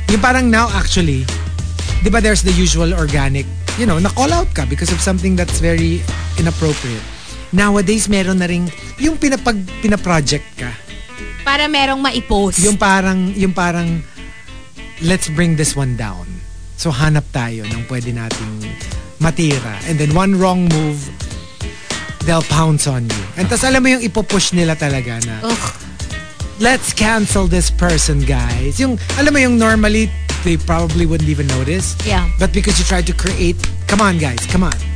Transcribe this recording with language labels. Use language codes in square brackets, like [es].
[en] Yung parang now, actually, di ba there's the usual organic... You know, na-call out ka because of something that's very inappropriate. [tl] Nowadays, meron na rin yung pinaproject ka. Para merong maipost. [en] Yung parang, let's bring this one down. [tl] So, hanap tayo ng pwede nating matira. [en] And then, one wrong move, they'll pounce on you. [tl] And tas alam mo yung ipopush nila talaga na, ugh. [en] Let's cancel this person, guys. Yung, alam mo yung normally, they probably wouldn't even notice. Yeah. But because you tried to create... Come on, guys. Come on.